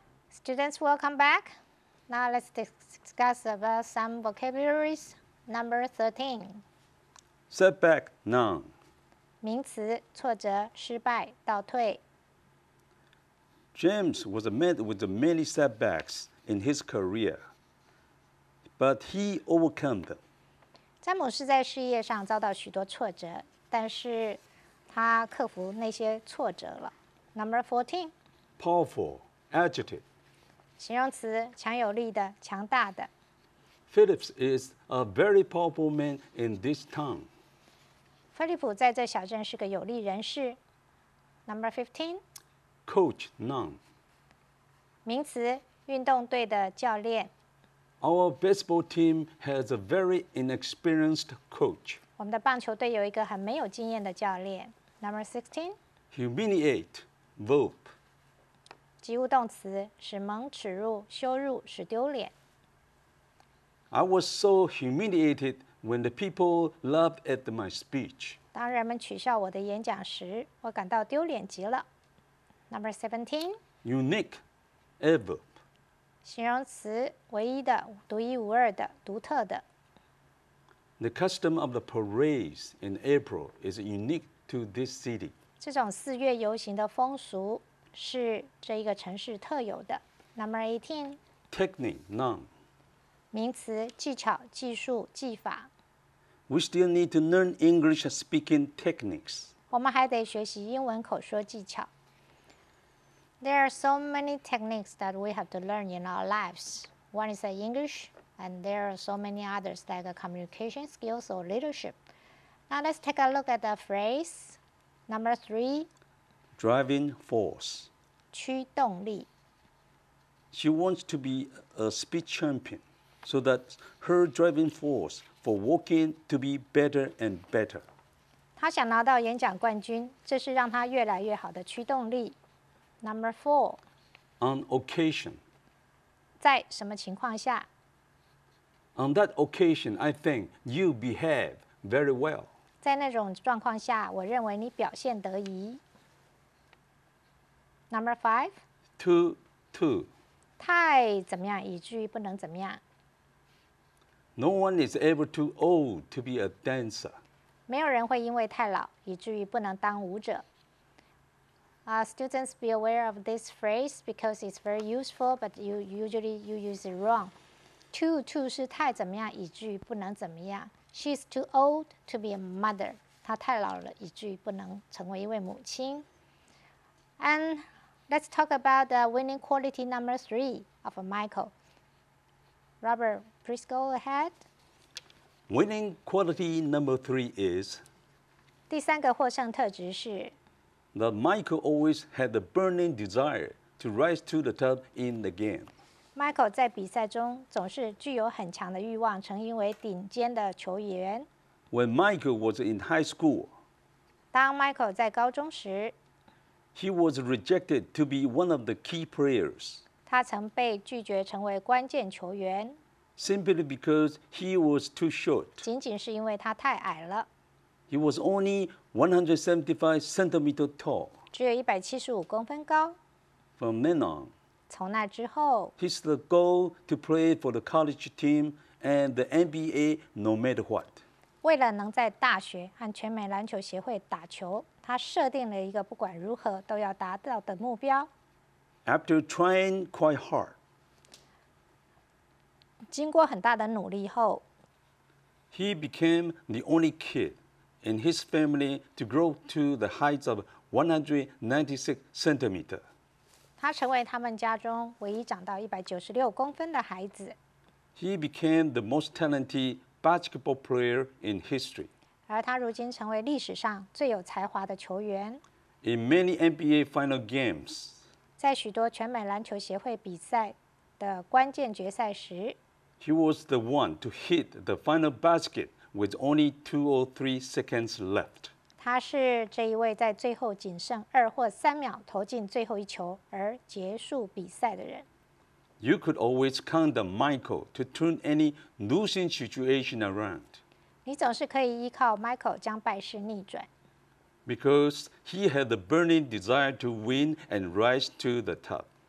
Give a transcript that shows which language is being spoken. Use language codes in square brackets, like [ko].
[en] Students, welcome back. Now let's discuss about some vocabularies. Number 13. Setback, noun. [zh] 名词，挫折，失败，倒退。 [en] James was met with many setbacks in his career, but he overcame them. [zh] 詹姆斯在事业上遭到许多挫折，但是他克服那些挫折了。 [en] Number 14. Powerful, adjective. [zh] 形容词，强有力的，强大的。 [en] Phillips is a very powerful man in this town. [zh] 菲利普在这小镇是个有力人士。 [en] Number 15. Coach, noun. [zh] 名词，运动队的教练。 [en] Our baseball team has a very inexperienced coach. [zh] 我们的棒球队有一个很没有经验的教练。 [en] Number 16. Humiliate, verb. [zh] 及物动词使蒙耻辱羞辱使丢脸。 [en] I was so humiliated when the people laughed at my speech. [zh] 当人们取笑我的演讲时，我感到丢脸极了。 [en] Number 17. Unique, ever. [zh] 形容词唯一的、独一无二的、独特的。 [en] The custom of the parades in April is unique to this city. [zh] 这种四月游行的风俗。是这一个城市特有的。 [en] Number 18. Technique, noun. [zh] 名词，技巧、技术、技法。 [en] We still need to learn English speaking techniques. [zh] 我们还得学习英文口说技巧。 [en] There are so many techniques that we have to learn in our lives. One is English, and there are so many others like communication skills or leadership. Now let's take a look at the phrase. Number three. Driving force. [zh] 驱动力。 [en] She wants to be a speech champion, so that her driving force for walking to be better and better. [zh] 她想拿到演讲冠军，这是让她越来越好的驱动力。 [en] Number four. On occasion. [zh] 在什么情况下？ [en] On that occasion, I think you behave very well. [zh] 在那种状况下，我认为你表现得宜。 [en] Number five. Too. [zh] 太怎么样，以至于不能怎么样。 [en] No one is ever too old to be a dancer. [zh] 没有人会因为太老，以至于不能当舞者。 [en] Students, be aware of this phrase because it's very useful, but you usually use it wrong. [zh] Too 是太怎么样，以至于不能怎么样。 [en] She's too old to be a mother. [zh] 她太老了，以至于不能成为一位母亲。 [en] And let's talk about the winning quality number three of Michael. Robert, please go ahead. Winning quality number three is. [zh] 第三个获胜特质是。 [en] That Michael always had the burning desire to rise to the top in the game. [zh] Michael 在比赛中总是具有很强的欲望，成为顶尖的球员。 [en] When Michael was in high school, [zh] 当 Michael 在高中时， [en] he was rejected to be one of the key players. [zh] 他曾被拒绝成为关键球员。 [en] Simply because he was too short. [zh] 仅仅是因为他太矮了。 [en] He was only 175 centimeters tall. [zh] 只有175公分高。 [en] From then on, [zh] 从那之后， [en] he's the goal to play for the college team and the NBA no matter what. [zh] 为了能在大学和全美篮球协会打球，他设定了一个不管如何都要达到的目标。 [en] After trying quite hard, [zh] 经过很大的努力后， [en] he became the only kid. In his family to grow to the height of 196 centimeter. [zh] 他成为他们家中唯一长到196公分的孩子。 [en] He became the most talented basketball player in history. [zh] 而他如今成为历史上最有才华的球员。 [en] In many NBA final games, [zh] 在许多全美篮球协会比赛的关键决赛时， [en] he was the one to hit the final basket. With only 2 or 3 seconds left, [zh] 他是这一位在最后仅剩二或三秒投进最后一球而结束比赛的人。 [en] You could always count on Michael to turn any losing situation around. [zh] 你总是可以依靠 Michael 将败势逆转。 [en] Because he had the burning desire to win and rise to the top.